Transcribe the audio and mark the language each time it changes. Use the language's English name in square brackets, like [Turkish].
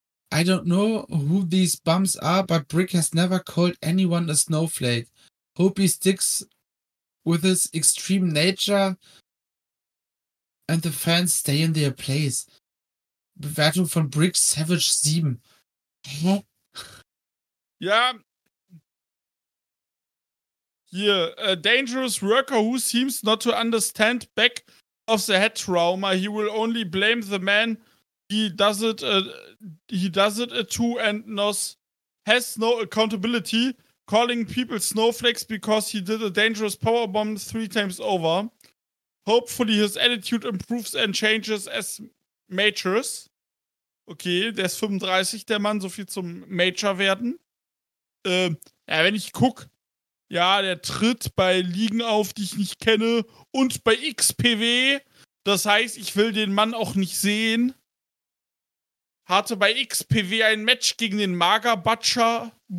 [English] I don't know who these bums are, but Brick has never called anyone a snowflake. Hope he sticks with his extreme nature and the fans stay in their place. [German] Bewertung von Brick Savage 7. Hä? Ja. Hier. [English] A dangerous worker who seems not to understand back of the head trauma. He will only blame the man he does it to and has no accountability. Calling people snowflakes because he did a dangerous powerbomb 3 times over. Hopefully his attitude improves and changes as matures. [German] Okay, der ist 35, der Mann, so viel zum Major werden. Ja, wenn ich guck, ja, der tritt bei Ligen auf, die ich nicht kenne, und bei XPW. Das heißt, ich will den Mann auch nicht sehen. Hatte bei XPW ein Match gegen den Mager Butcher.